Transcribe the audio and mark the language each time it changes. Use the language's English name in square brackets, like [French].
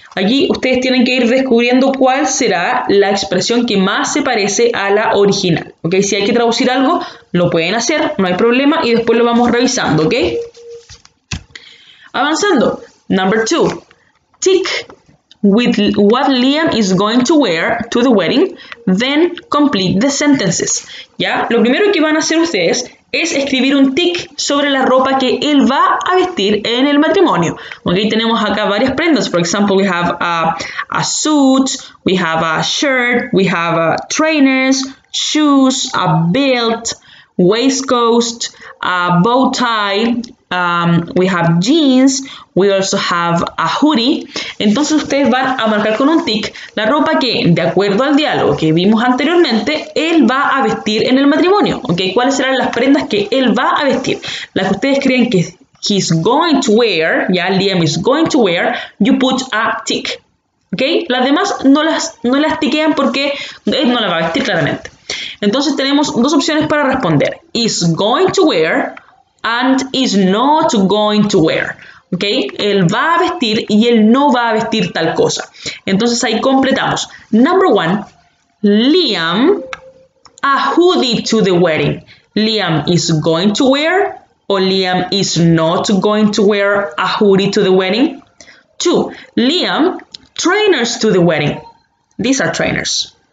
[Spanish] Allí ustedes tienen que ir descubriendo cuál será la expresión que más se parece a la original. ¿Ok? Si hay que traducir algo, lo pueden hacer, no hay problema, y después lo vamos revisando, ¿ok? [English] Avanzando. Number two. Tick with what Liam is going to wear to the wedding, then complete the sentences. ¿Ya? [Spanish] Lo primero que van a hacer ustedes es escribir un tick sobre la ropa que él va a vestir en el matrimonio. [English] ¿Ok? [Spanish] Tenemos acá varias prendas. [English] For example, we have a suit, we have a shirt, we have a trainers, shoes, a belt, waistcoat, a bow tie, we have jeans, we also have a hoodie. [Spanish] Entonces ustedes van a marcar con un tick la ropa que, de acuerdo al diálogo que vimos anteriormente, él va a vestir en el matrimonio. ¿Okay? ¿Cuáles serán las prendas que él va a vestir? Las que ustedes creen que [English] he's going to wear, ya Liam is going to wear, you put a tick. [Spanish] ¿Okay? Las demás no las tiquean porque él no las va a vestir claramente. Entonces tenemos dos opciones para responder. [English] Is going to wear and is not going to wear. ¿Ok? [Spanish] Él va a vestir y él no va a vestir tal cosa. Entonces ahí completamos. [English] Number one, Liam, a hoodie to the wedding. Liam is going to wear or Liam is not going to wear a hoodie to the wedding. Two, Liam, trainers to the wedding. These are trainers.